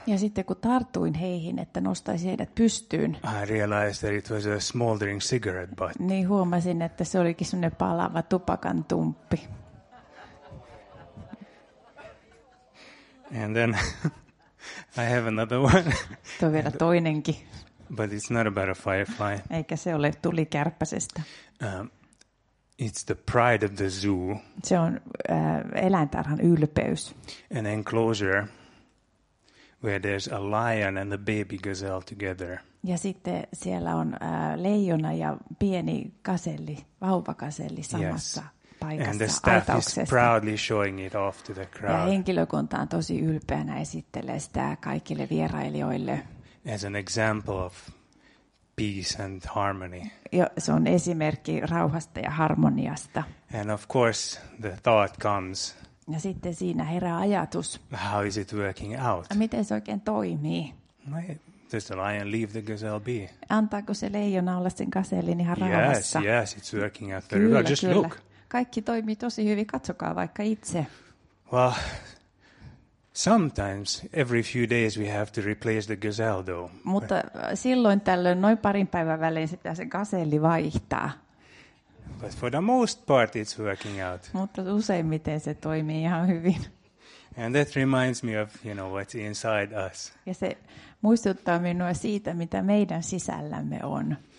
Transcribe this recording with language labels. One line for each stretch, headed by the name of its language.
Finnish: Ja sitten kun tartuin heihin, että nostaisi heidät pystyyn.
English: I realized that it was a smoldering cigarette butt.
Finnish: Niin huomasin, että se olikin semmoinen palava tupakan tumppi.
English: And then I have another one.
Finnish: Tuo vielä toinenkin.
English: But it's not about a firefly.
Finnish: Eikä se ole tulikärpäsestä.
English: It's the pride of the zoo.
Finnish: Se on eläintarhan ylpeys.
English: An enclosure where there's a lion and a baby gazelle together.
Finnish: Ja sitten siellä on leijona ja pieni gaselli, vauvakaselli samassa.
English: Yes. And the staff is proudly showing it off to the crowd.
Finnish: Ja henkilökunta on tosi ylpeänä esittelee sitä kaikille vierailijoille.
English: As an example of peace and harmony.
Finnish: Ja se on esimerkki rauhasta ja harmoniasta.
English: And of course the thought comes.
Finnish: Ja sitten siinä herää ajatus.
English: How is it working out?
Finnish: Miten se oikein toimii?
English: Does the lion leave the gazelle be?
Finnish: Antaako se leijona olla sen gazellin ihan rauhassa?
English: Yes, yes, it's working out very well. Just look.
Finnish: Kaikki toimii tosi hyvin, katsokaa vaikka itse.
English: Well, sometimes every few days we have to replace the gazelle though.
Finnish: Mutta silloin tällöin noin parin päivän välein se pitää se gazelli vaihtaa.
English: But for the most part it's working out.
Finnish: Mutta useimmiten se toimii ihan hyvin.
English: And that reminds me of, you know, what's inside us.
Finnish: Ja se muistuttaa minua siitä, mitä meidän sisällämme on.